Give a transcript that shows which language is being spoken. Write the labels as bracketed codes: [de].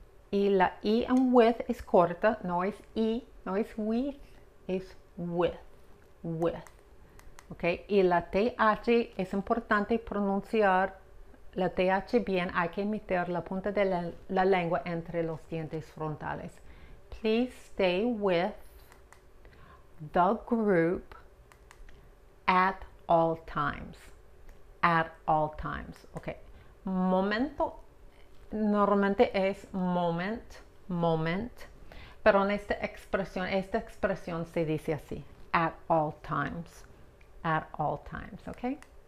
[es] Y la I en with es corta, no es I, no es with, es with, with. Ok, y la TH es importante pronunciar la TH bien, hay que meter la punta de la lengua entre los dientes frontales. [en] Please stay with the group at all times. At all times. Ok, momento. [es] Normalmente es moment, moment, pero en esta expresión se dice así, [en] at all times, [es] ok?